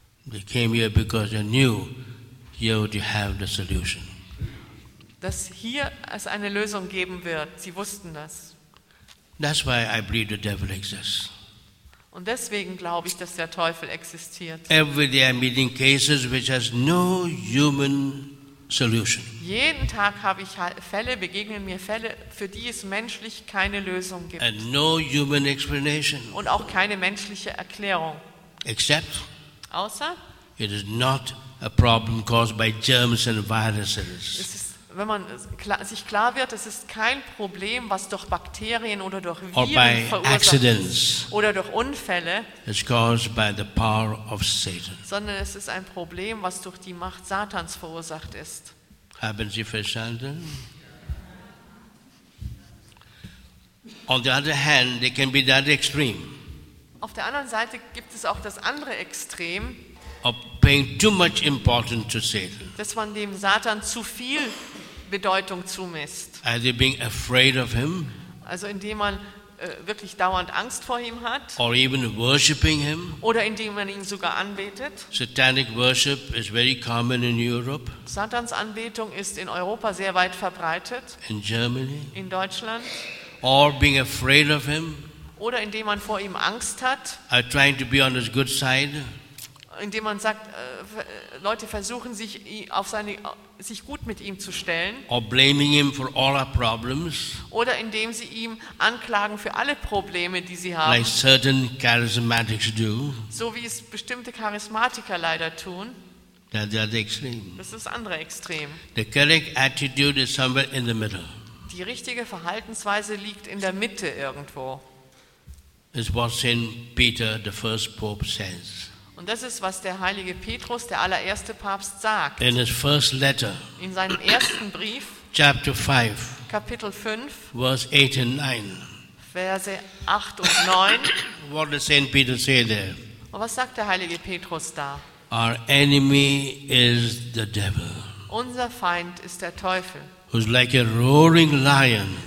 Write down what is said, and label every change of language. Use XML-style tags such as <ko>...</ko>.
<en>They came here because they knew here would you have the solution.</en> <de>Dass hier es eine Lösung geben wird. Sie wussten das.</de> <en>That's why I believe the devil exists.</en> <de>Und deswegen glaube ich, dass der Teufel existiert.</de> <en>Every day I'm meeting cases which has no human solution.</en> <de>Jeden Tag habe ich Fälle, begegnen mir Fälle, für die es menschlich keine Lösung gibt.</de> <en>And no human explanation.</en> <de>Und auch keine menschliche Erklärung.</de> <en>Except.</en> <de>Außer.</de> <en>It is not a problem caused by germs and viruses.</en> <de>Wenn man sich klar wird, es ist kein Problem, was durch Bakterien oder durch Viren</de> <en>or by</en> <de>verursacht</de> <en>accidents,</en> <de>oder durch Unfälle,</de> <en>it's caused by the power of Satan.</en> <de>Sondern es ist ein Problem, was durch die Macht Satans verursacht ist. Haben Sie verstanden?</de> <en>On the other hand, they can be that extreme.</en> <de>Auf der anderen Seite gibt es auch das andere Extrem,</de> <en>of paying too much importance to Satan.</en> <de>Dass man dem Satan zu viel Bedeutung zumisst.</de> <en>Are they being afraid of him?</en> <de>Also indem man wirklich dauernd Angst vor ihm hat.</de> <en>Or even worshiping him.</en> <de>Oder indem man ihn sogar anbetet.</de> <en>Satanic worship is very common in Europe.</en> <de>Satans Anbetung ist in Europa sehr weit verbreitet.</de> <en>In Germany.</en> <de>In Deutschland.</de> <en>Or being afraid of him.</en> <de>Oder indem man vor ihm Angst hat.</de> <en>Are trying to be on his good side.</en> <de>Indem man sagt, Leute versuchen sich auf seine sich gut mit ihm zu stellen.</de> <en>Or blaming him for all our problems.</en> <de>Oder indem sie ihm anklagen für alle Probleme, die sie haben.</de> <en>Like certain charismatics do.</en> <de>So wie es bestimmte Charismatiker leider tun.</de> <en>That's the extreme.</en> <de>Das ist das andere Extrem.</de> <en>The correct attitude is somewhere in the middle.</en> <de>Die richtige Verhaltensweise liegt in der Mitte irgendwo.</de> <en>Is what Saint Peter, the first Pope, says.</en> <de>Und das ist, was der heilige Petrus, der allererste Papst, sagt.</de> <en>In his first letter,</en> <de>in seinem ersten Brief,</de> <en>chapter 5,</en> <de>Kapitel 5,</de> <en>verse 8 and 9.</en> <de>Verse 8 und 9.</de> <en>What does Saint Peter say there?</en> <de>Und was sagt der heilige Petrus da?</de> <en>Our enemy is the devil.</en> <de>Unser Feind ist der Teufel.</de> <en>Who's like a roaring lion.</en>